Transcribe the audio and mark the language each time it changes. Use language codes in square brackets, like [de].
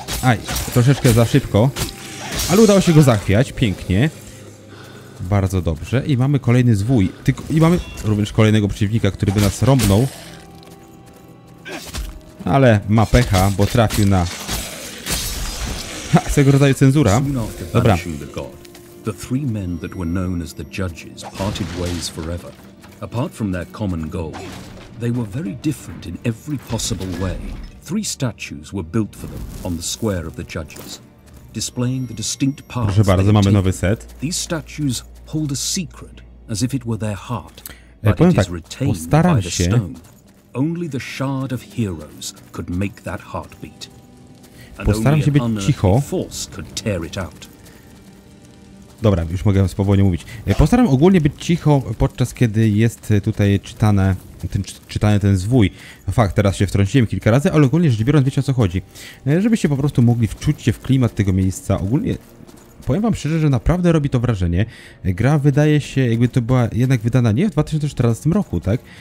[pl] Aj, troszeczkę za szybko. Ale udało się go zachwiać. Pięknie. Bardzo dobrze. I mamy kolejny zwój. I mamy również kolejnego przeciwnika, który by nas rąbnął. Ale ma pecha, bo trafił na... Ha, tego rodzaju cenzura. Dobra. [en] The three men that were known as the judges parted ways forever. Apart from their common goal, they were very different in every possible way. Three statues were built for them on the square of the judges, displaying the distinct paths. [pl] Proszę bardzo, mamy nowy set. [en] These statues hold a secret, as if it were their heart, but it is retained by the stone. Only the shard of heroes could make that heartbeat, and only an unearthly force could tear it out. [pl] Dobra, już mogę spowolnie mówić. Postaram ogólnie być cicho podczas kiedy jest tutaj czytane. Czytanie ten zwój. Fakt, teraz się wtrąciłem kilka razy, ale ogólnie rzecz biorąc, wiecie, o co chodzi. Żebyście po prostu mogli wczuć się w klimat tego miejsca. Ogólnie powiem wam szczerze, że naprawdę robi to wrażenie. Gra wydaje się, jakby to była jednak wydana nie w 2014 roku, tak?